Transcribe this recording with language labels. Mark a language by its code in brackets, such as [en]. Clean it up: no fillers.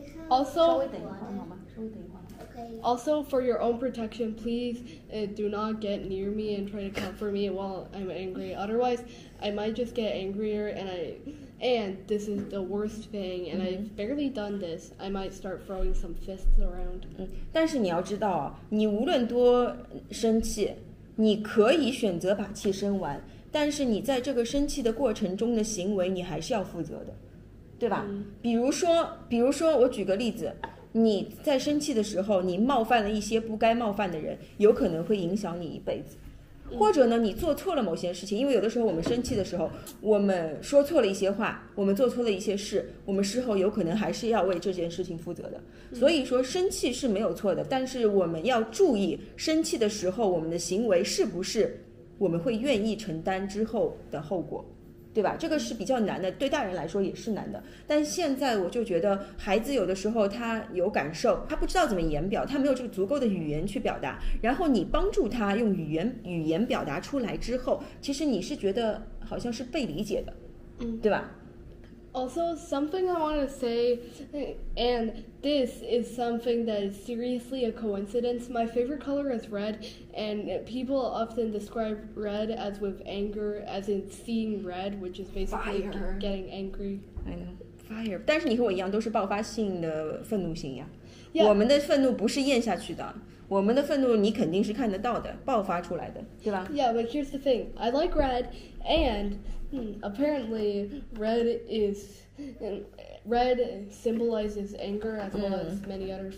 [en] Also, for your own protection, please do not get near me and try to comfort me while I'm angry. Otherwise, I might just get angrier and this is the worst thing, and I've barely done this. I might start throwing some fists around. [zh] 但是你要知道，你无论多生气，你可以选择把气生完，但是你在这个生气的过程中的行为，你还是要负责的，对吧？比如说，我举个例子，你在生气的时候，你冒犯了一些不该冒犯的人，有可能会影响你一辈子。或者呢，你做错了某些事情，因为有的时候我们生气的时候，我们说错了一些话，我们做错了一些事，我们事后有可能还是要为这件事情负责的。所以说生气是没有错的，但是我们要注意生气的时候我们的行为是不是我们会愿意承担之后的后果，对吧？这个是比较难的，对大人来说也是难的。但现在我就觉得孩子有的时候他有感受，他不知道怎么言表，他没有这个足够的语言去表达，然后你帮助他用语言表达出来之后，其实你是觉得好像是被理解的，对吧？ [en] Also, something I want to say, and this is something that is seriously a coincidence. My favorite color is red, and people often describe red as with anger, as in seeing red, which is basically getting angry. I know. Fire. [zh] 但是你和我一样都是爆发性的愤怒型呀。 [en] Yeah. [zh] 我们的愤怒不是咽下去的。我们的愤怒你肯定是看得到的，爆发出来的，对吧？ [en] Yeah, but here's the thing. I like red, and apparently red symbolizes anger as well as many other things.